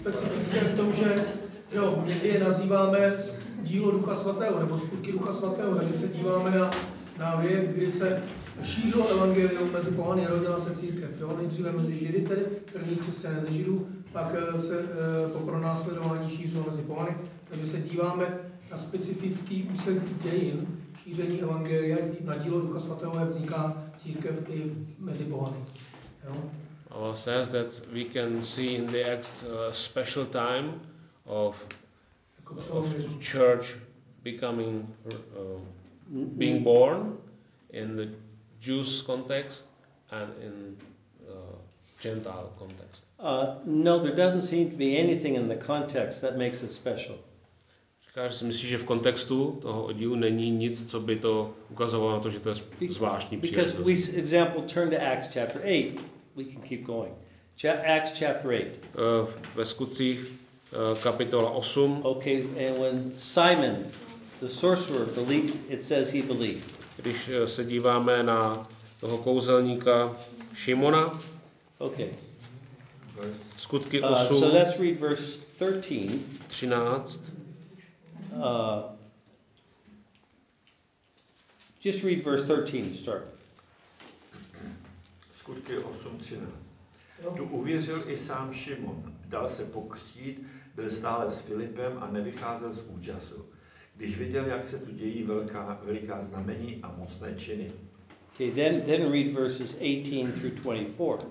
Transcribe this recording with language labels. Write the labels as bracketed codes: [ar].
[cs] Já jsem myslel, že jsou v tom, že jo, někdy je nazýváme dílo Ducha Svatého, nebo skutky Ducha Svatého, takže se díváme na věk, kdy se šířilo evangelium mezi pohany a rodila se církev. Jo? Nejdříve mezi Židy, tedy první křesťané ze Židů, pak se po pronásledování šířilo mezi pohany, takže se díváme na specifický úsek dějin šíření evangelia, na dílo Ducha Svatého, jak vzniká církev i mezi pohany. [en] Paul says that we can see in the Acts special time of church becoming being born in the Jews context and in Gentile context. No, there doesn't seem to be anything in the context that makes it special. [cs] Říkáš, si myslíš, že v kontextu toho oddílu není nic, co by to ukazovalo na to, že to je zvláštní příležitost. [en] Because we example turn to Acts chapter 8, we can keep going. Acts chapter 8. [cs] Ve skutcích kapitola 8. [en] Okay, and when Simon, the sorcerer, believed, it says he believed. [cs] Když se díváme na toho kouzelníka Šimona. [en] Okay. [cs] Skutky 8. [en] So let's read verse 13. 13. Just read verse 13 to start. [cs] Skutky 8:13. Tu uvěřil i sám Šimon, dal se pokřtít, byl stále s Filipem a nevycházel z úžasu, když viděl, jak se tu dějí veliká znamení a mocné činy. [en] Okay, then read verses 18 through 24.